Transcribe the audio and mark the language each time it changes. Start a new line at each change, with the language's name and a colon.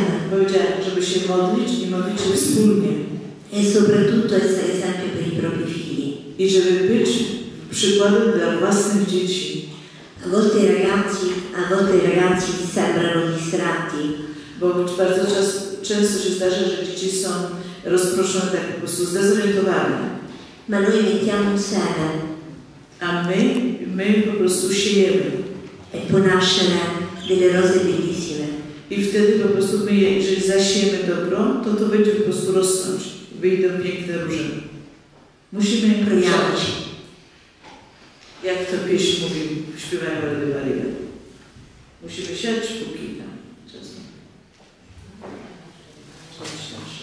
Polish: Powiedziałem, żeby się modlić i modlić się wspólnie.
Italian: E soprattutto essere esempio per i propri figli.
Polish: I żeby być przykładem dla własnych dzieci.
Italian: A volte i ragazzi sembrano distratti.
Polish: Bo bardzo często się zdarza, że dzieci są rozproszone, tak po prostu zdezorientowane.
Italian: Ma noi mettiamo seme.
Polish: A my po prostu siejemy.
Italian: E può nascere delle rose bellissime.
Polish: I wtedy po prostu my, jeżeli zasiemy dobro, to będzie po prostu rosnąć. Wyjdą piękne róże. Musimy prowadzić. Jak to pieśń mówi, śpiewają Rady Maria. Musimy siać, póki tam. Czasem.